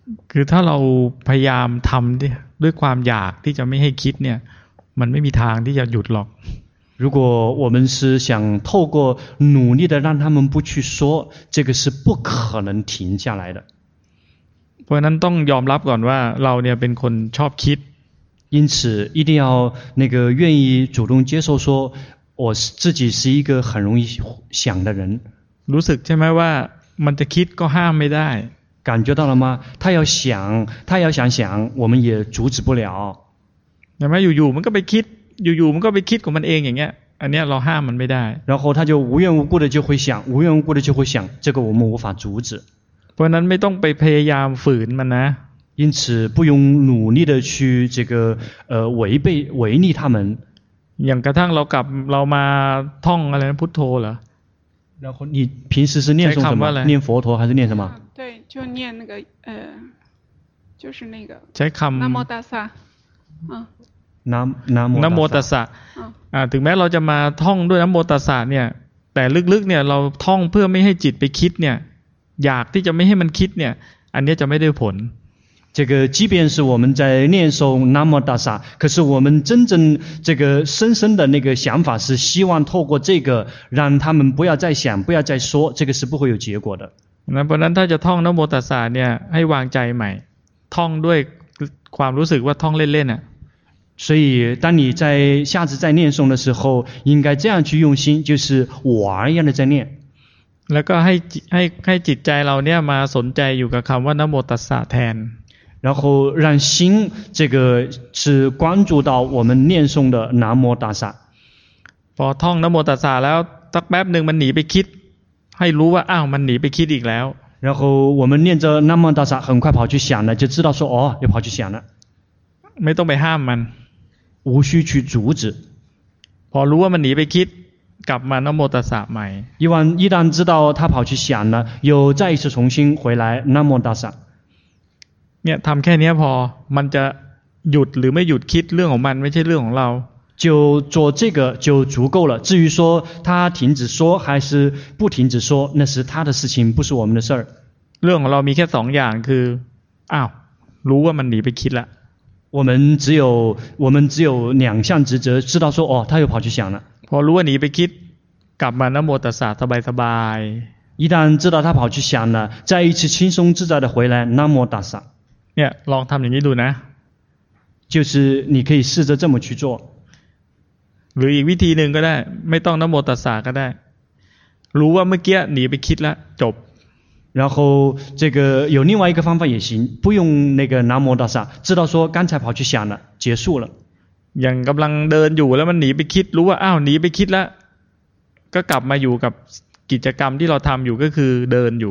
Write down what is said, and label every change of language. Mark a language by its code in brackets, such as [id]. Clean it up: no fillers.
[th] คือถ้าเราพยายามทำด้วยความอยากที่จะไม่ให้คิดเนี่ยมันไม่มีทางที่จะหยุดหรอก [zh] 如果我们是想透过努力的让他们不去说这个是不可能停下来的 [th] เพราะนั้นต้องยอมรับก่อนว่าเราเนี่ยเป็นคนชอบคิด [zh] 因此一定要那个愿意主动接受说我自己是一个很容易想的人 [th] รู้สึกใช่ไหมว่ามันจะคิดก็ห้ามไม่ได้ [zh] 感觉到了吗他要想我们也阻止不了 [th] ใช่ไหมอยู่ๆมันก็ไปคิดอยู่ๆมันก็ไปคิดของมันเองอย่างเงี้ยอันเนี้ยเราห้ามมันไม่ได้ [zh] 然后他就无缘无故的就会想无缘无故的就会想这个我们无法阻止 [th] เพราะนั้นไม่ต้องไปพยายามฝืนมันนะ [zh] 因此不用努力的去这个违逆他们 [th] อย่างกระทั่งเรามาท่องอะไรพุทโธเหรอ [zh] 然后你平时是念诵什么念佛陀还是念什么对就念那个就是那个 [th] ใช้คำ นะโมตัสสะ นะโมตัสสะ ถึงแม้เราจะมาท่องด้วยนะโมตัสสะเนี่ยแต่ลึกๆเนี่ยเราท่องเพื่อไม่ให้จิตไปคิดเนี่ยอยากที่จะไม่ให้มันคิดเนี่ยอันนี้จะไม่ได้ผล [zh] 这个即便是我们在念诵南无大萨可是我们真正这个深深的那个想法是希望透过这个让他们不要再想不要再说这个是不会有结果的那不然他就 [th] ท่องนะโมตัสสะเนี่ยให้วางใจใหม่ท่องด้วยความรู้สึกว่าท่องเล่นๆน่ะ [zh] 所以当你在下次在念诵的时候应该这样去用心就是玩一样的在念 [th] แล้วก็ให้จิตใจเราเนี่ยมาสนใจอยู่กับคําว่านะโมตัสสะแทน [zh] 然后让心这个是关注到我们念诵的南无大萨。 [th] พอท่องนะโมตัสสะแล้วสักแป๊บนึงมันหนีไปคิดให้รู้ว่าอ้าวมันหนีไปคิดอีกแล้ว [zh] 然后我们念着南无大萨很快跑去想了就知道说哦又跑去想了 [th] ไม่ต้องไปห้ามมัน [zh] 无需去阻止 [th] พอรู้ว่ามันหนีไปคิดกลับมานะโมตัสสะใหม่ [zh] 一旦知道他跑去想了又再一次重新回来南无大萨 [th] เนี่ยทำแค่นี้พอมันจะหยุดหรือไม่หยุดคิดเรื่องของมันไม่ใช่เรื่องของเรา [zh] 就做这个就足够了至于说他停止说还是不停止说那是他的事情不是我们的事儿 [th] เรื่องของเรามีแค่สองอย่างคืออ้าวรู้ว่ามันหนีไปคิดละ [zh] 我们只有两项职责知道说哦他又跑去想了 [th] พอรู้ว่าหนีไปคิดกลับมานะโมตัสสะสบายสบาย [zh] 一旦知道他跑去想了再一次轻松自在的回来那么大傻 [th] เนี่ยลองทำอย่างนี้ดูนะ [zh] 就是你可以试着这么去做 [th] หรืออีกวิธีหนึ่งก็ได้ไม่ต้องนโมตัสสะก็ได้รู้ว่าเมื่อกี้หนีไปคิดแล้วจบ [zh] 然后这个有另外一个方法也行不用那个นโมตัสสะ知道说刚才跑去想了结束了อ [th] ย่างกำลังเดินอยู่แล้วมันหนีไปคิดรู้ว่าอ้าวหนีไปคิดแล้วก็กลับมาอยู่กับกิจกรรมที่เราทำอยู่ก็คือเดินอยู